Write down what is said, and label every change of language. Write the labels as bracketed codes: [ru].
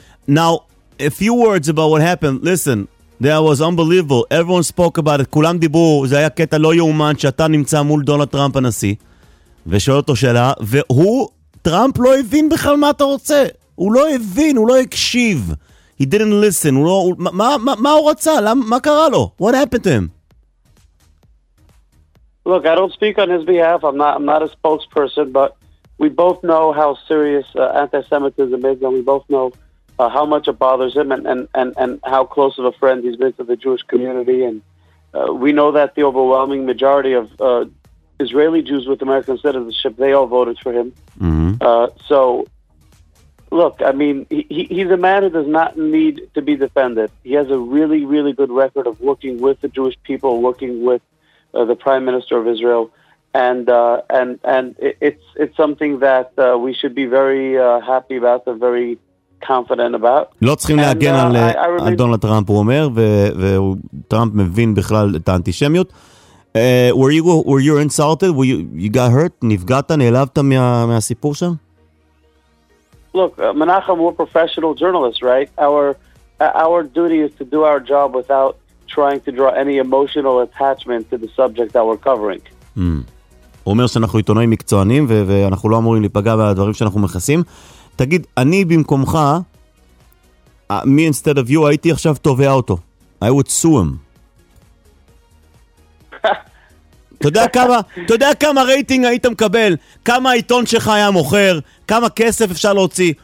[en] Now, a few words about what happened. Listen, that was unbelievable. Everyone spoke about it. [he] כולם דיברו, זה היה קטע לא יאומן, שאתה נמצא מול דונלד טראמפ הנשיא, ושואל אותו שאלה, והוא, טראמפ לא הבין בכלל מה אתה רוצה. הוא לא הבין, הוא לא הקשיב. [en] He didn't listen. [he] מה הוא רצה? מה קרה לו? [en] What happened to him? Look, I don't speak on his behalf. I'm not a spokesperson, but we both know how serious anti-Semitism is, and we both know how much it bothers him and how close of a friend he's been to the Jewish community. And we know that the overwhelming majority of Israeli Jews with American citizenship, they all voted for him. Mm-hmm. So, look, I mean, he's a man who does not need to be defended. He has a really, really good record of working with the Jewish people, working with the Prime Minister of Israel. And it's something that we should be very happy about and very confident about. [he] לא צריכים להגן על דונלד טראמפ, הוא אומר, וטראמפ מבין בכלל את האנטישמיות. [en] Were you insulted? You got hurt? [he] נפגעת, נעלבת מהסיפור שם? [en] Look, Menachem, we're professional journalists, right? Our duty is to do our job without trying to draw any emotional attachment to the subject that we're covering. [he] הוא אומר שאנחנו עיתונאים מקצוענים, ואנחנו לא אמורים להיפגע בדברים שאנחנו מכסים. תגיד, אני במקומך, [en] me instead of you, [he] הייתי עכשיו תובע אותו. [en] I would sue him. [he] אתה יודע כמה רייטינג היית מקבל, כמה העיתון שלך היה מוכר, כמה כסף אפשר להוציא.